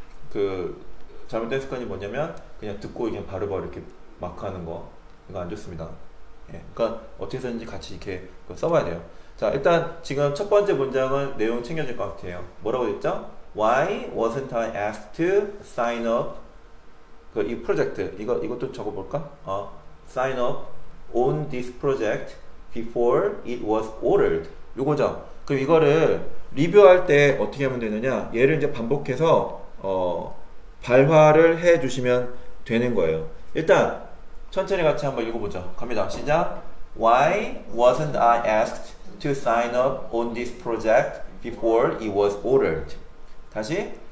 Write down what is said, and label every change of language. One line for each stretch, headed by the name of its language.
Korean: 그 잘못된 습관이 뭐냐면 그냥 듣고 그냥 바로 이렇게 마크 하는 거 이거 안 좋습니다. 예, 그러니까 어떻게 썼는지 같이 이렇게 써봐야 돼요. 자, 일단 지금 첫 번째 문장은 내용 챙겨질 것 같아요. 뭐라고 했죠?
English: Why wasn't I asked to sign up?
Korean: 그 이 프로젝트 이것도 적어볼까?
English: Sign up on this project before it was ordered.
Korean: 요거죠. 그럼 이거를 리뷰할 때 어떻게 하면 되느냐? 얘를 이제 반복해서 발화를 해주시면 되는 거예요. 일단 천천히 같이 한번 읽어보죠. 갑니다. 시작.
English: Why wasn't I asked to sign up on this project before it was ordered?
Korean: 다시.